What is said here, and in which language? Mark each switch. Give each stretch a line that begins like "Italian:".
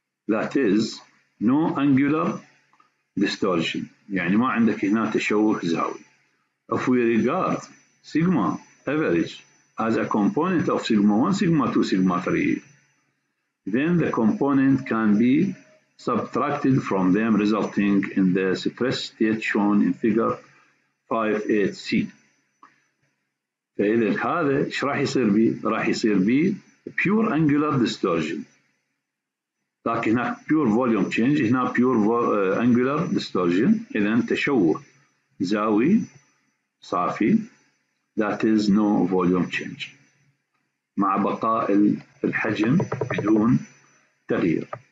English: That is no angular distortion.
Arabic: يعني ما عندك هنا تشوه زاوي.
English: If we regard sigma average as a component of sigma 1, sigma 2, sigma 3, then the component can be subtracted from them resulting in the stress state shown in figure 58C.
Arabic: فإذا هذا إيش راح يصير بي؟ راح يصير بي
English: pure angular distortion،
Arabic: لكن هناك
English: pure volume change،
Arabic: هنا pure angular distortion، إذا تشوه زاوي صافي،
English: that is no volume change،
Arabic: مع بقاء الحجم بدون تغيير.